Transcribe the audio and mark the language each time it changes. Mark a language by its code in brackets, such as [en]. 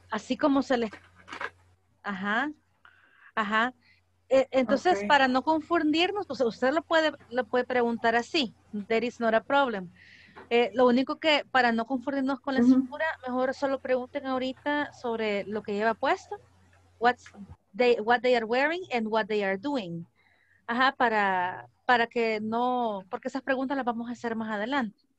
[es] Así como se le... Ajá, ajá. Entonces, okay. Para no confundirnos, pues usted lo puede preguntar así. [en] There is not a problem. [es] Lo único que, para no confundirnos con la estructura, mejor solo pregunten ahorita sobre lo que lleva puesto. [en] What they are wearing and what they are doing. [es] Ajá, para que no... Porque esas preguntas las vamos a hacer más adelante.